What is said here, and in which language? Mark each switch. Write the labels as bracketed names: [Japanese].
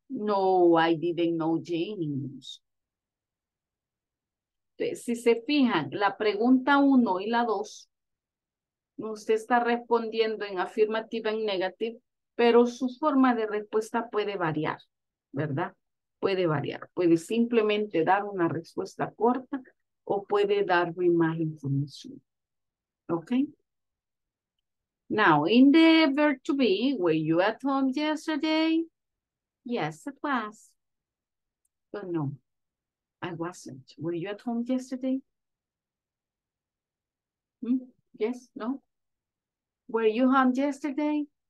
[English] No, I didn't know Jane in middle school. [Spanish] Entonces, si se fijan, la pregunta 1 y la 2, usted está respondiendo en afirmativa, en negative, pero su forma de respuesta puede variar, ¿verdad? Puede variar. Puede simplemente dar una respuesta corta o puede darme más información. ¿Ok? [English] Now, in the verb to be, were you at home yesterday? Yes, it was. But no, I wasn't. Were you at home yesterday? Yes, no. Were you home yesterday?